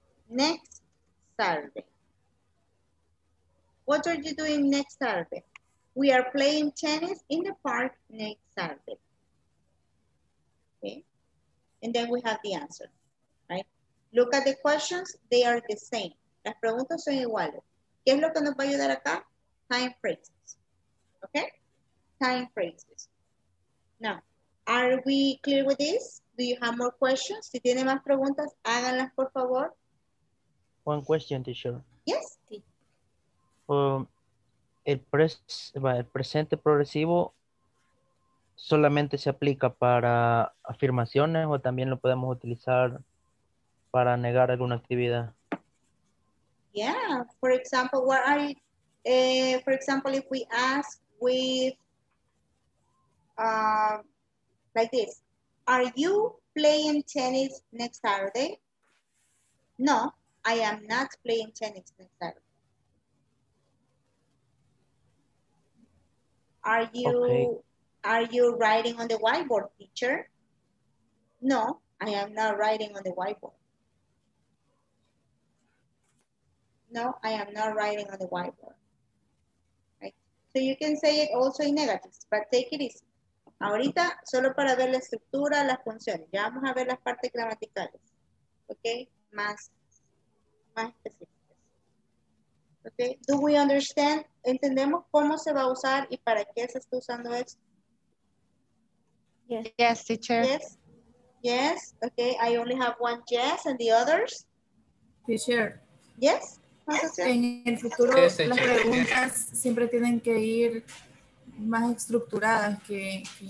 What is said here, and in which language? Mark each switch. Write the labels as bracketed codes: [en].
[en] Next Saturday. What are you doing next Saturday? We are playing tennis in the park next Saturday. Okay. And then we have the answer, right? Look at the questions, they are the same. [es] Las preguntas son iguales. ¿Qué es lo que nos va a ayudar acá? [en] Time phrases. Okay? Time phrases. Now, are we clear with this? Do you have more questions? [es] Si tiene más preguntas, háganlas, por favor. [en] One question, teacher. Yes. [es] El presente progresivo solamente se aplica para afirmaciones o también lo podemos utilizar para negar alguna actividad. [en] Yeah, for example, what are you, for example, if we ask with, like this, are you playing tennis next Saturday? No, I am not playing tennis next Saturday. Are you writing on the whiteboard, teacher? No, I am not writing on the whiteboard. No, I am not writing on the whiteboard. Right? So you can say it also in negatives, but take it easy. [es] Ahorita, solo para ver la estructura, las funciones. Ya vamos a ver las partes gramaticales. Okay? Más específicas. Okay? [en] Do we understand? [es] ¿Entendemos cómo se va a usar y para qué se está usando esto? [en] Yes, teacher. Yes? Yes? Okay, I only have one yes and the others? Teacher. Yes? [es] En el futuro, yes, las preguntas siempre tienen que ir más estructuradas que...